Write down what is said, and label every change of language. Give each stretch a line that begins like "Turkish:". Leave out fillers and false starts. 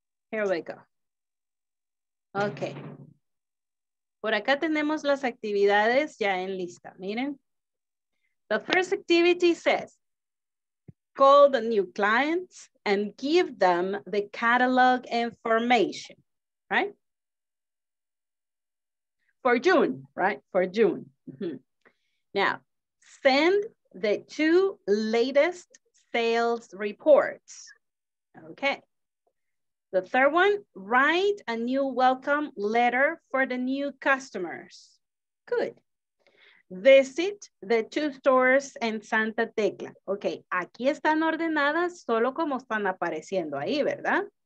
English: Here we go. Okay.
Spanish: Por acá tenemos las actividades ya en lista. Miren.
English: The first activity says, call the new clients and give them the catalog information, right? For June, right? For June. Mm-hmm. Now, send the two latest sales reports. Okay. The third one, write a new welcome letter for the new customers. Good. Visit the two stores in Santa Tecla.
Spanish: Okay, aquí están ordenadas solo como están apareciendo ahí, ¿verdad?